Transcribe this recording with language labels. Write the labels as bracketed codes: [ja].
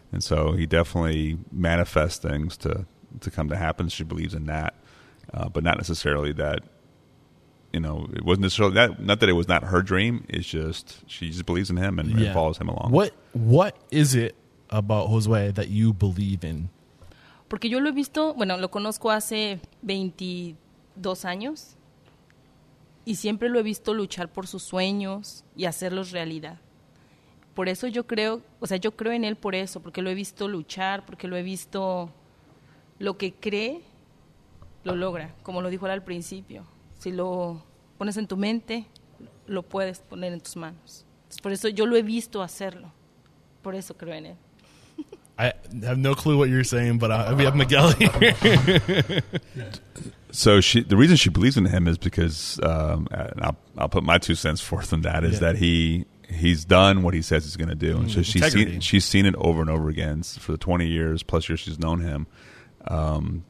[en] And so he definitely manifests things to come to happen. She believes in that, but not necessarily that, you know, it wasn't necessarily that, not that it was not her dream. It's just she just believes in him and follows him along. What is it about Josue that you believe in? [es] Porque yo lo he visto, bueno, lo conozco hace 22 años y siempre lo he visto luchar por sus sueños y hacerlos realidad. Por eso yo creo, o sea, yo creo en él por eso, porque lo he visto luchar, porque lo he visto lo que cree, lo logra, como lo dijo él al principio. Si lo pones en tu mente, lo puedes poner en tus manos. Entonces, por eso yo lo he visto hacerlo, por eso creo en él. [en] I have no clue what you're saying, but we have Miguel here. So the reason she believes in him is because, and I'll put my two cents forth on that, is that he's done what he says he's going to do. And so she's seen it over and over again for the 20 years plus years she's known him.